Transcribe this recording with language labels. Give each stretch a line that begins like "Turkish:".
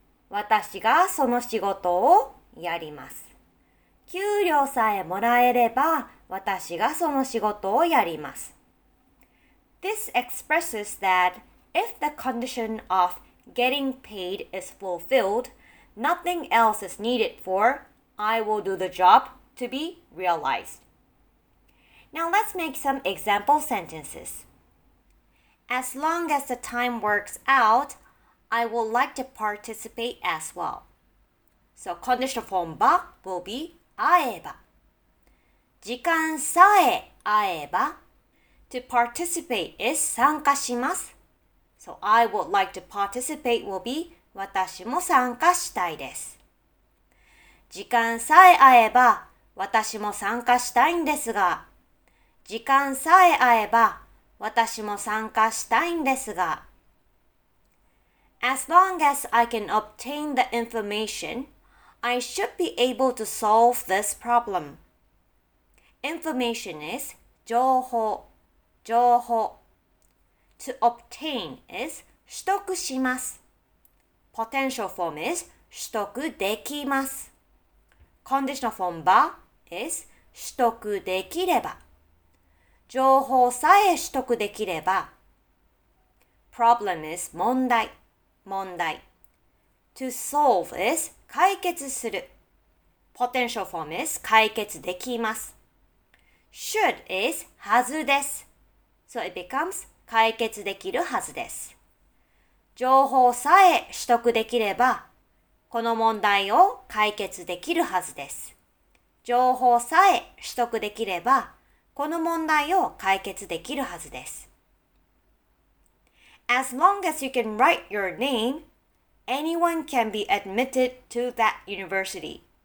Japanese: 私がその仕事をやります。給料さえもらえれば私がその仕事をやります。
English: This expresses that if the condition of getting paid is fulfilled, nothing else is needed for I will do the job to be realized. Now let's make some example sentences. As long as the time works out, I would like to participate as well. So conditional form ba will be 会えば。
Japanese: 時間さえ会えば。
English: To participate is 参加します。So I would like to participate will be
Japanese: 私も参加したいです。時間さえ会えば私も参加したいんですが。時間さえ会えば私も参加したいんですが。
English: As long as I can obtain the information, I should be able to solve this problem. Information is 情報、情報。 To obtain is 取得します。Potential form is 取得できます。 Conditional form ba is 取得できれば。
Japanese: 情報さえ取得できれば。
English: Problem is 問題、問題。To solve is 解決する。 Potential form is 解決できます。Should is はずです。 So it becomes
Japanese: 解決できるはずです。情報さえ取得できれば、この問題を解決できるはずです。情報さえ取得できれば、この問題を解決できるはずです。
English: As long as you can write your name, anyone can be admitted to that university.